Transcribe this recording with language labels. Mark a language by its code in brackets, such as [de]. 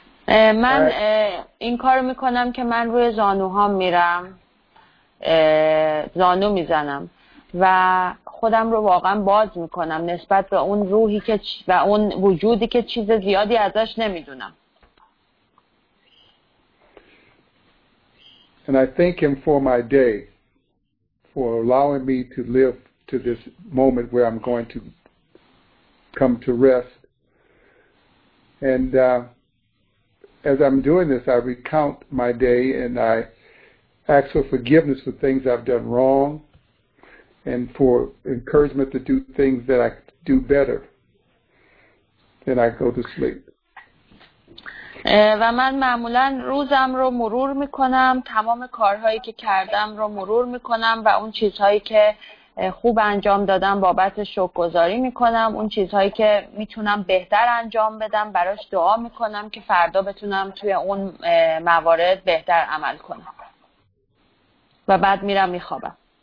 [fa] من این کارو میکنم که من روی زانوهام میرم، زانو میزنم و خودم رو واقعا باز میکنم نسبت به اون روحی که و اون وجودی که چیز زیادی ازش نمیدونم. [en] And I thank him for my day, for allowing me to live to this moment where I'm going to come to rest. And as I'm doing this, I recount my day and I ask for forgiveness for things I've done wrong and for encouragement to do things that I do better. Then I go to sleep. [fa] و من معمولا روزم رو مرور میکنم، تمام کارهایی که کردم رو مرور میکنم و اون چیزهایی که خوب انجام دادم بابت شکرگزاری میکنم، اون چیزهایی که میتونم بهتر انجام بدم براش دعا میکنم که فردا بتونم توی اون موارد بهتر عمل کنم و بعد میرم میخوابم.